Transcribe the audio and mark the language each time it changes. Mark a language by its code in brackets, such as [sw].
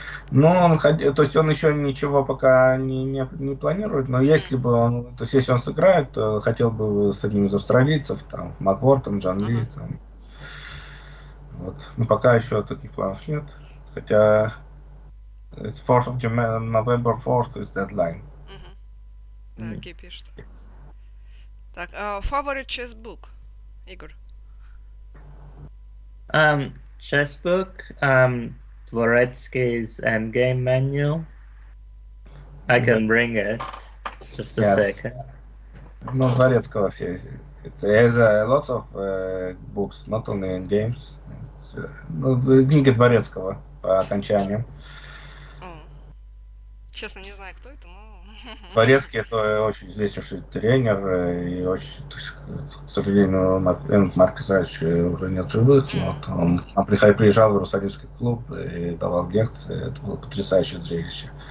[ru] Ну, он хотел, то есть он еще ничего пока не планирует, но если бы он, то есть если он сыграет, то хотел бы с одним из австралийцев, там, Магвордом, Чан Ли, там. Вот. Ну, пока еще таких планов нет. [en] Хотя, it's 4th of November 4th is deadline. [ru] Угу. Так, я пишет. Так, [en] favorite chess book, [ru] Игорь? [en] Chess book, Dvoretsky's Endgame Manual. I can bring it. Just a second. [ru] Ну, Дворецкого все есть. [en] It has a lot of books, not only in games. [ru] Ну, книги Дворецкого по окончанию. Честно, не знаю, кто это, но... Дворецкий — это очень известный тренер, и очень, то есть, к сожалению, Марк Израильевич уже нет живых, но вот он приезжал в Иерусалимский клуб и давал лекции, это было потрясающее зрелище.